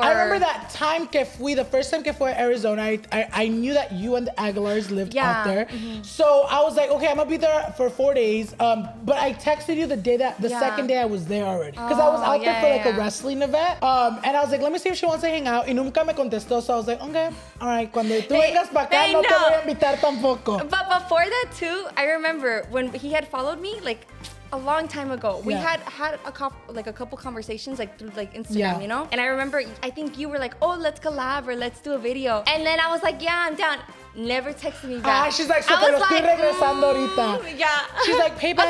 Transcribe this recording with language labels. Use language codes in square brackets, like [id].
[en] I remember that time, the first time Kefui, Arizona, I knew that you and the Aguilars lived out there. Mm-hmm. So I was like, okay, I'm gonna be there for 4 days. But I texted you second day I was there already. Cause I was out there for a wrestling event. And I was like, let me see if she wants to hang out. [es] Y nunca me contestó. [en] So I was like, okay, all right. [es] Cuando tú vengas para acá, no te voy a invitar tampoco. [en] But before that too, I remember when he had followed me, like, a long time ago, we had a couple conversations through Instagram, you know? And I remember, I think you were like, oh, let's collab or let's do a video. And then I was like, yeah, I'm down. Never texted me back. She's like, so [es] pero estoy regresando ahorita. [en] She's like, payback,